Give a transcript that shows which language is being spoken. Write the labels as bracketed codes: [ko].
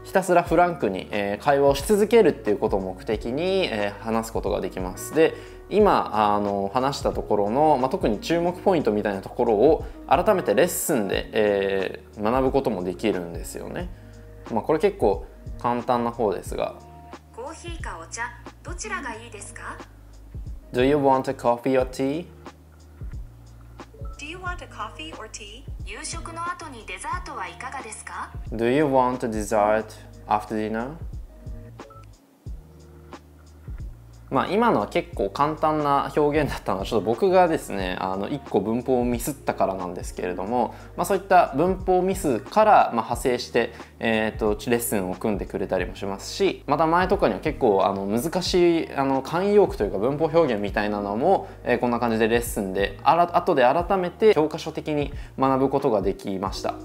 [ja] ひたすらフランクに、会話をし続けるっていうことを目的に、話すことができます。で今話したところの、特に注目ポイントみたいなところを改めてレッスンで、学ぶこともできるんですよね。これ結構簡単な方ですが、コーヒーかお茶どちらがいいですか？ [en] Do you want a coffee or tea? Do you want a coffee or tea? [ja] 夕食の後にデザートはいかがですか? [en] Do you want a dessert after dinner? [ja] 今のは結構簡単な表現だったのはちょっと僕がですね一個文法をミスったからなんですけれども、そういった文法ミスから派生して、レッスンを組んでくれたりもしますし、また前とかには結構難しい慣用句というか文法表現みたいなのも、こんな感じでレッスンで後で改めて教科書的に学ぶことができました。